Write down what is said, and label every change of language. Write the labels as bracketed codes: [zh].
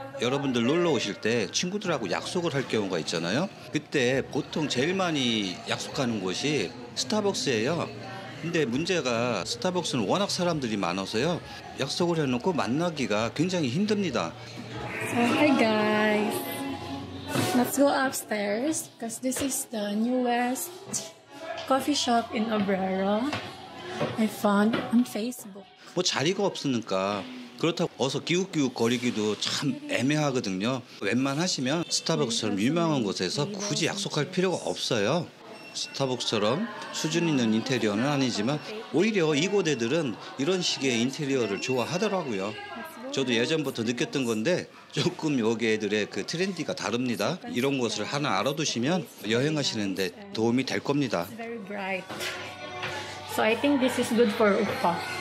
[ko] 여러분들 놀러 오실 때 친구들하고 약속을 할 경우가 있잖아요. 그때 보통 제일 많이 약속하는 곳이 스타벅스예요. 근데 문제가 스타벅스는 워낙 사람들이 많아서요. 약속을 해놓고 만나기가 굉장히 힘듭니다. [en] So, hi guys. Let's go upstairs because this is the newest coffee shop in Obrero. I found on Facebook. [ko] 뭐 자리가 없으니까 그렇다고 어서 기웃기웃 거리기도 참 애매하거든요. 웬만하시면 스타벅스처럼 유명한 곳에서 굳이 약속할 필요가 없어요. 스타벅스처럼 수준 있는 인테리어는 아니지만 오히려 이곳 애들은 이런 식의 인테리어를 좋아하더라고요. 저도 예전부터 느꼈던 건데 조금 여기 애들의 그 트렌디가 다릅니다. 이런 곳을 하나 알아두시면 여행하시는 데 도움이 될 겁니다. [en] So I think this is good for Uppa.